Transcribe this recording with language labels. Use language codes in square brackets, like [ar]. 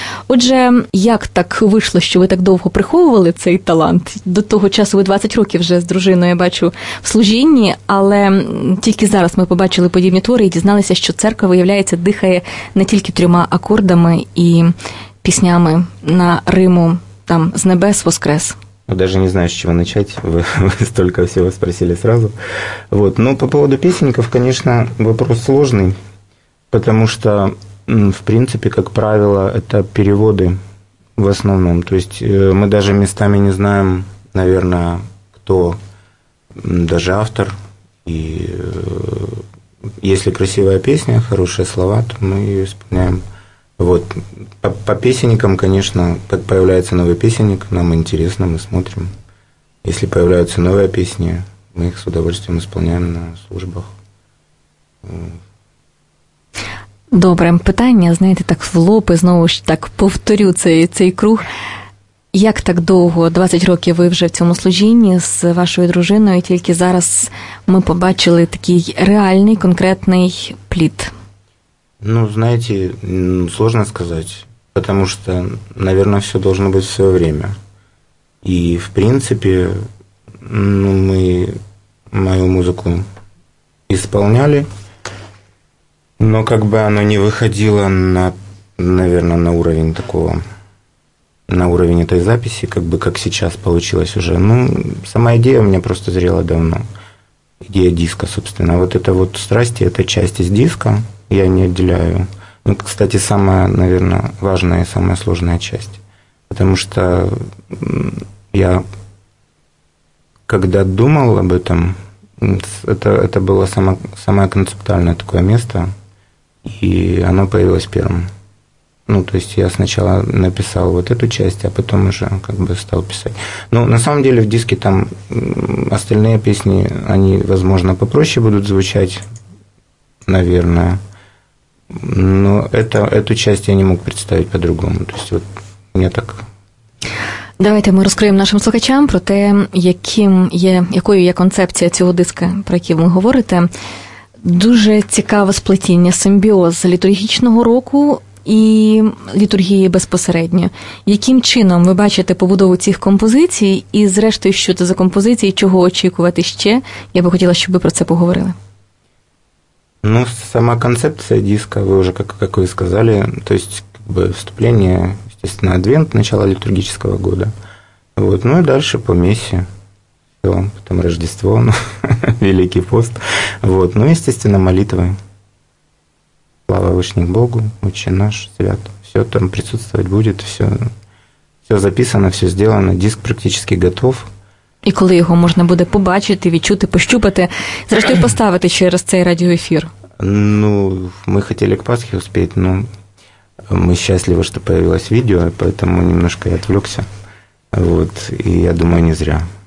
[uk] Отже, як так вийшло, що ви так довго приховували цей талант? До того часу ви 20 років вже з дружиною, я бачу, в служінні, але тільки зараз ми побачили подібні твори і дізналися, що церква, виявляється, дихає не тільки трьома акордами і піснями на Риму, там, «З небес воскрес». [ru] Даже не знаю, с чего начать, вы столько всего спросили сразу. Вот. Но по поводу песенников, конечно, вопрос сложный, потому что в принципе, как правило, это переводы в основном. То есть мы даже местами не знаем, наверное, кто даже автор. И если красивая песня, хорошие слова, то мы ее исполняем. Вот. По песенникам, конечно, как появляется новый песенник, нам интересно, мы смотрим. Если появляются новые песни, мы их с удовольствием исполняем на службах. [uk] Добре, питання, знаєте, так в лоб, і знову ж так повторю цей круг. Як так довго, 20 років ви вже в цьому служінні з вашою дружиною, і тільки зараз ми побачили такий реальний, конкретний плід? Ну, знаєте, сложно сказати, тому що, мабуть, все має бути в своє время. І, в принципі, ну, ми мою музику исполняли. [ru] Но как бы оно не выходило на, наверное, на уровень такого, на уровень этой записи, как бы как сейчас получилось уже. Ну, сама идея у меня просто зрела давно. Идея диска, собственно. Вот это вот «Страсти» – это часть из диска, я не отделяю. Ну, кстати, самая, наверное, важная и самая сложная часть. Потому что я, когда думал об этом, это было самое концептуальное такое место – и оно появилось первым. Ну, то есть я сначала написал вот эту часть, а потом уже как бы стал писать. Ну, на самом деле в диске там остальные песни, они, возможно, попроще будут звучать, наверное. Но эту часть я не мог представить по-другому. То есть вот мне так... [uk] Давайте ми розкриємо нашим слухачам про те, якою є концепція цього диска, про який ви говорите. Дуже цікаве сплетіння, симбіоз літургічного року, і літургії безпосередньо. Яким чином ви бачите побудову цих композицій і, зрештою, що це за композиції, чого очікувати ще? Я би хотіла, щоб ви про це поговорили. Ну, сама концепція диска, ви вже, як ви сказали, [ru] то есть, как бы, вступление, естественно, адвент, начало литургического года. Вот. Ну, и дальше по мессе. Все, потом Рождество, ну, Великий пост. Вот. Ну, естественно, молитвы. Слава Вышних Богу, Отче наш, Свят. Все там присутствовать будет, все, все записано, все сделано, диск практически готов. [uk] І коли його можна буде побачити, відчути, пощупати, зрештою поставити через цей радіоефір? Ну, ми хотіли к Пасхи успіти, але ми щасливі, що з'явилось відео, тому [ru] немножко я відвлекся. [uk] Вот. І я думаю, не зря.